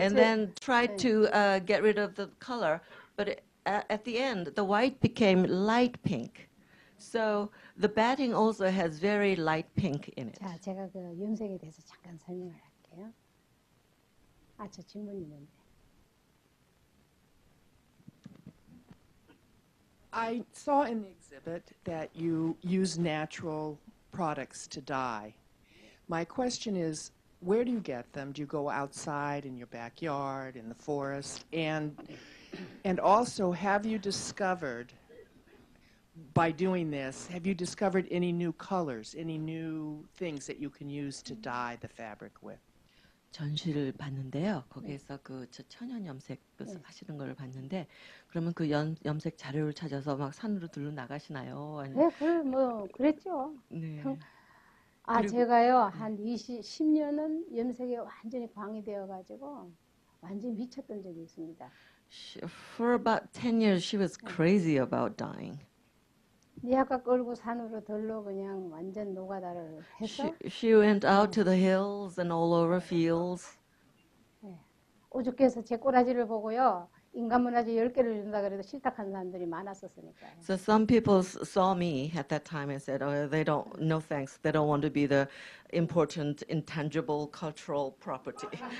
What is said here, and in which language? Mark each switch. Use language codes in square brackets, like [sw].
[en] and then tried to get rid of the color. But at the end, the white became light pink. So the batting also has very light pink in it. [ko] 자, 제가 그 염색에 대해서 잠깐 설명을 할게요. 아, 저 질문 있는데. [en] I saw in the exhibit that you use natural products to dye. My question is, where do you get them? Do you go outside in your backyard, in the forest, and also, have you discovered, by doing this, have you discovered any new colors, any new things that you can use to dye the fabric with? [ko] 전시를 봤는데요. 거기에서 그 천연 염색 하시는 걸 봤는데 그러면 그 염색 자료를 찾아서 막 산으로 둘러 나가시나요? 네, 뭐 그랬죠. 네. 아, 제가요. 한 10년은 염색에 완전히 광이 되어가지고 완전히 미쳤던 적이 있습니다. [en] For about 10 years, she was crazy about dying. [ko] 니아카 끌고 산으로 들러 그냥 완전 노가다를 해서 [en] she went out to the hills and all over fields. [ko] 오죽해서 제 꼬라지를 보고요. 인간 문화재 10개를 준다 그래도 싫다하는 사람들이 많았었으니까. [en] So some people saw me at that time and said, "Oh, they don't no thanks. They don't want to be the important intangible cultural property."